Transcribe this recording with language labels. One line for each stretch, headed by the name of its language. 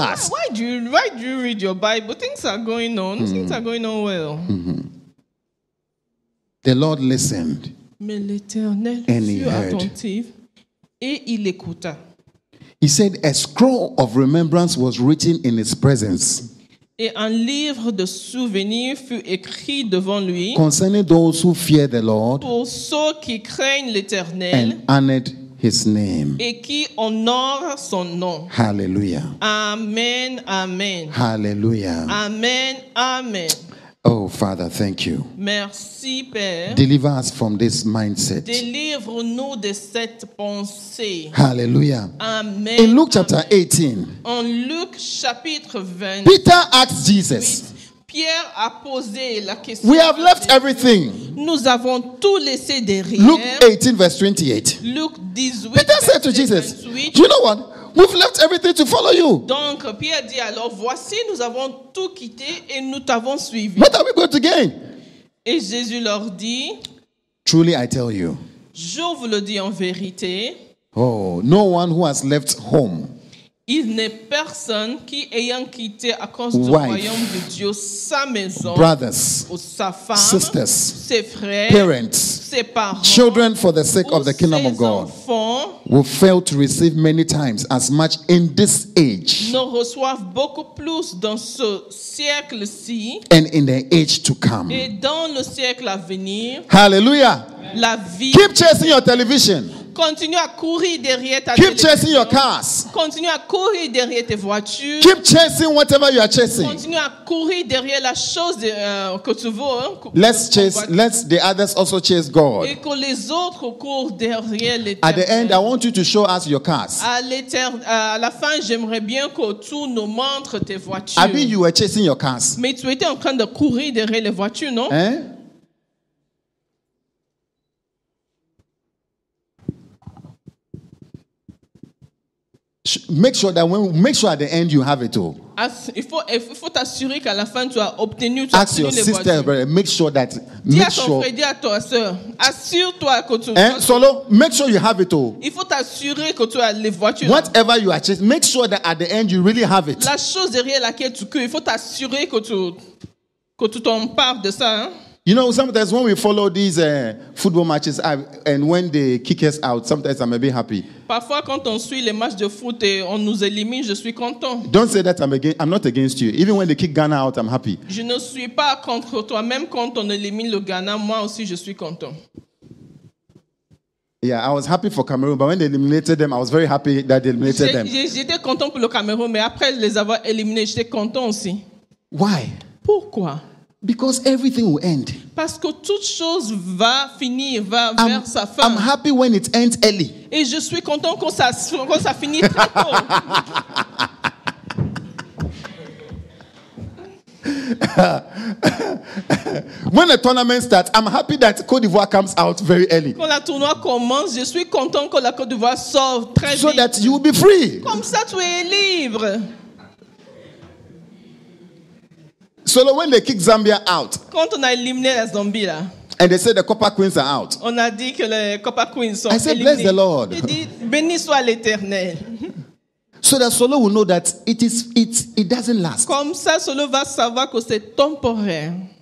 English: Why do you read your Bible? Things are going on. Things are going on well. The Lord listened.
French: Mais l'Éternel fut attentif et il écouta.
English: He said, a scroll of remembrance was written in his presence.
French: Et un livre de souvenirs fut écrit devant lui.
English: Concerning those who fear the Lord.
French: Pour ceux qui craignent l'Éternel.
English: And honored his name.
French: Et qui honore son nom.
English: Hallelujah. Amen, amen. Hallelujah. Amen, amen. Oh, Father, thank you.
French: Merci, Père.
English: Deliver us from this mindset.
French: Délivre-nous de cette pensée.
English: Hallelujah. Amen. In Luke chapter 18.
French: En Luc chapitre 20.
English: Peter asked Jesus.
French: Pierre a posé la question.
English: We have left everything.
French: Nous avons tout laissé derrière.
English: Luke 18 verse 28. Luke 18. Peter said to Jesus, 28. You know what? We've left everything to follow you.
French: Donc Pierre dit alors voici nous avons tout quitté et nous t'avons suivi.
English: What are we going to gain?
French: Et Jésus leur dit.
English: Truly I tell you.
French: Je vous le dis en vérité.
English: Oh, no one who has left home.
French: Il n'est personne qui ayant quitté à cause du royaume de Dieu sa maison,
English: brothers,
French: ou sa femme,
English: sisters,
French: ses frères,
English: parents,
French: ses parents,
English: children for the sake of the kingdom of God,
French: enfants,
English: will fail to receive many times as much in this age,
French: ne reçoivent beaucoup plus dans ce siècle-ci,
English: and in the age to come,
French: et dans le siècle à venir.
English: Hallelujah.
French: La vie.
English: Keep chasing your television.
French: Continue à courir derrière ta
English: Keep chasing your cars.
French: Continue à courir derrière tes voitures.
English: Keep chasing whatever you are chasing.
French: Continue à courir derrière la chose de, que tu veux. Hein,
English: let's chase. Let the others also chase God.
French: Et que les autres courent derrière l'éternel.
English: At the end, I want you to show us your cars.
French: À la fin, j'aimerais bien que tu nous montres tes voitures.
English: Abby, you were chasing your cars.
French: Mais tu étais en train de courir derrière les voitures, non? Hein?
English: Make sure that when make sure at the end you have it all.
French: Il faut t'assurer qu'à la fin tu as obtenu.
English: Ask your sister, brother. Make sure that. Make sure.
French: Dis à ton frère, dis à toi, sœur. Assure-toi que tu. Solo.
English: Make sure you have it all.
French: Il faut t'assurer que tu as les voitures.
English: Whatever you are chasing, make sure that at the end you really have it.
French: La chose derrière laquelle tu cours, il faut t'assurer que tu t'en parles de ça. Hein?
English: You know, sometimes when we follow these football matches and when they kick us out, sometimes I'm a bit happy.
French: Parfois, quand on suit les matchs de foot et on nous élimine, je suis content.
English: Don't say that I'm not against you. Even when they kick Ghana out, I'm happy.
French: Je ne suis pas contre toi. Même quand on élimine le Ghana, moi aussi, je suis content.
English: Yeah, I was happy for Cameroon, but when they eliminated them, I was very happy that they eliminated them.
French: J'étais content pour le Cameroun, mais après les avoir éliminés, j'étais content aussi.
English: Why?
French: Pourquoi?
English: Because everything will end.
French: Parce que toute chose va finir, va vers sa fin.
English: I'm happy when it ends early.
French: Et je suis content quand ça finit très tôt.
English: When the tournament starts, I'm happy that Côte d'Ivoire comes out very early.
French: Quand la tournoi commence, je suis content que la Côte d'Ivoire sort très
English: so
French: vite.
English: So that you will be free.
French: Comme ça, tu es libre.
English: So when they kick Zambia out,
French: quand on a éliminé la Zambie, là,
English: and they said the Copper Queens are out,
French: on a dit que les Copper Queens sont éliminés.
English: I said, bless the Lord.
French: Il dit, béni soit l'Éternel.
English: So that Solo will know that it doesn't last.
French: Comme ça, Solo va savoir que c'est temporaire.